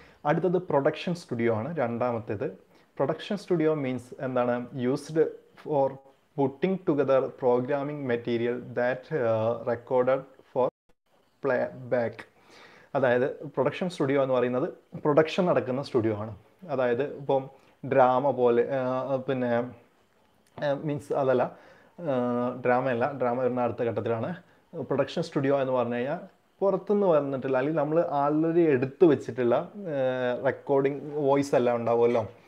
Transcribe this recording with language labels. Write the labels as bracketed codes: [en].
[ml] അടുത്തത് production studio ആണ് രണ്ടാമത്തേത്. പ്രൊഡക്ഷൻ സ്റ്റുഡിയോ മീൻസ് എന്താണ്, [en] Used for putting together programming material that recorded for playback. [ml] അതായത് പ്രൊഡക്ഷൻ സ്റ്റുഡിയോ എന്ന് പറയുന്നത് പ്രൊഡക്ഷൻ നടക്കുന്ന സ്റ്റുഡിയോ ആണ്. അതായത് ഇപ്പം ഡ്രാമ പോലെ പിന്നെ മീൻസ് അതല്ല, ഡ്രാമയല്ല, ഡ്രാമ വരുന്ന അടുത്ത ഘട്ടത്തിലാണ്. പ്രൊഡക്ഷൻ സ്റ്റുഡിയോ എന്ന് പറഞ്ഞു കഴിഞ്ഞാൽ പുറത്തുനിന്ന് വന്നിട്ടില്ല അല്ലെങ്കിൽ നമ്മൾ ആൾറെഡി എടുത്തു വെച്ചിട്ടുള്ള റെക്കോർഡിംഗ് വോയിസ് എല്ലാം ഉണ്ടാവുമല്ലോ.